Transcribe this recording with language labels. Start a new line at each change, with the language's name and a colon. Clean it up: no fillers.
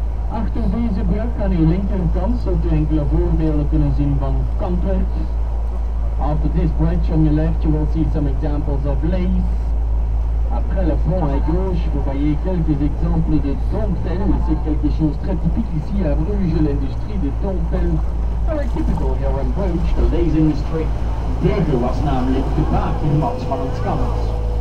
Dutch: Achter deze brug aan uw linkerkant zult u enkele voorbeelden kunnen zien van kantwerk.
English: After this bridge on your left you will see some examples of lace.
French: Après le front à gauche, vous voyez quelques exemples de dentelles. C'est quelque chose très typique ici à Bruges, l'industrie des dentelles.
English: Very typical here in Bruges, the lace industry.
Dutch: Bruges was namelijk de bakermat van het kans.